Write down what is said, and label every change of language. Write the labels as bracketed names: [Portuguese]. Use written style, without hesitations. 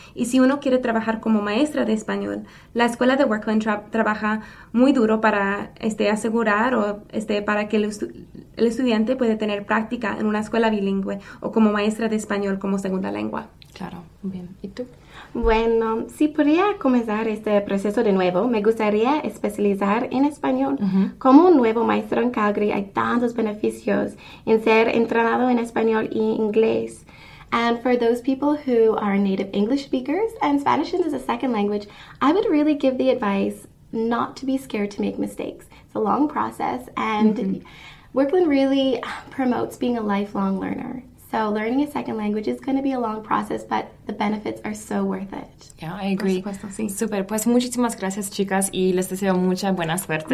[Spanish] Y si uno quiere trabajar como maestra de español, la escuela de Workland trabaja muy duro para asegurar o para que el estudiante pueda tener práctica en una escuela bilingüe o como maestra de español como segunda lengua. Claro, bien. ¿Y tú? Bueno, si podría comenzar este proceso de nuevo, me gustaría especializar en español. Uh-huh. Como un nuevo maestro en Calgary, hay tantos beneficios en ser entrenado en español y inglés. [English] And for those people who are native English speakers and Spanish is a second language, I would really give the advice not to be scared to make mistakes. It's a long process, and Workland really promotes being a lifelong learner. So learning a second language is going to be a long process, but the benefits are so worth it. Yeah, I agree. [Spanish] Por supuesto, sí. Super. Pues muchísimas gracias, chicas, y les deseo mucha buena suerte.